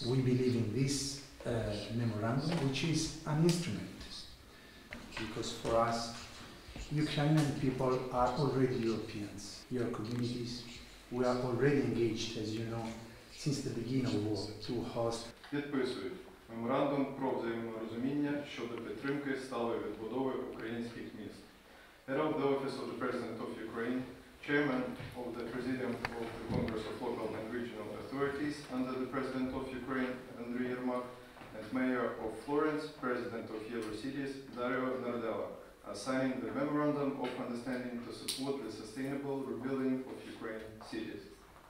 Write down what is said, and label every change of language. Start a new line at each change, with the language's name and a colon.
English: We believe in this memorandum, which is an instrument, because for us Ukrainian people are already Europeans. Your communities, we are already engaged, as you know, since the beginning of war, to host.
Ukrainian: Підписую меморандум про взаєморозуміння щодо підтримки сталої відбудови українських міст.
English: Head of the Office of the President of Ukraine, Chairman of the Presidium of the Congress of Local and Regional Authorities under the President of Ukraine, Андрій Ермак, and Mayor of Florence, President of Eurocities, Дарио Нарделла, signing the Memorandum of Understanding to support the sustainable rebuilding of Ukraine cities.